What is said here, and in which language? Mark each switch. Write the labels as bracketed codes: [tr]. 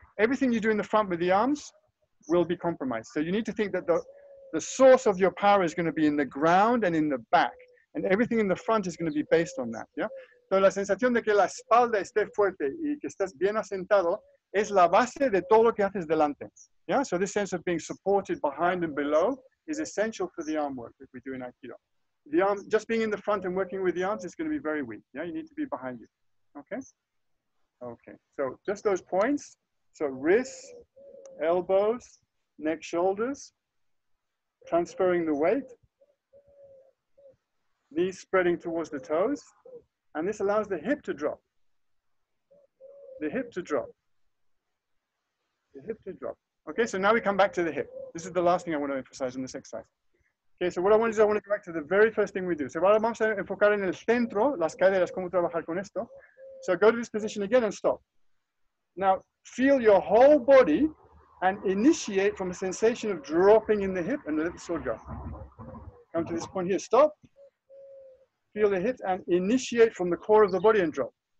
[en] everything you do in the front with the arms will be compromised. So you need to think that the source of your power is going to be in the ground and in the back, and everything in the front is going to be based on that. Yeah. [es] So la sensación de que la espalda esté fuerte y que estás bien asentado es la base de todo lo que haces delante. [en] Yeah. So this sense of being supported behind and below is essential for the arm work that we do in Aikido. The arm, just being in the front and working with the arms is going to be very weak. Yeah. You need to be behind you. Okay. Okay. So just those points. So wrists, elbows, neck, shoulders, transferring the weight, knees spreading towards the toes, and this allows the hip to drop. The hip to drop. The hip to drop. Okay, so now we come back to the hip. This is the last thing I want to emphasize in this exercise. Okay, so what I want to do is I want to go back to the very first thing we do. [es] So ahora vamos a enfocar en el centro, las caderas, cómo trabajar con esto. [en] So go to this position again and stop. Now, feel your whole body and initiate from a sensation of dropping in the hip and let the sword go. Come to this point here, stop. Feel the hips and initiate from the core of the body and drop.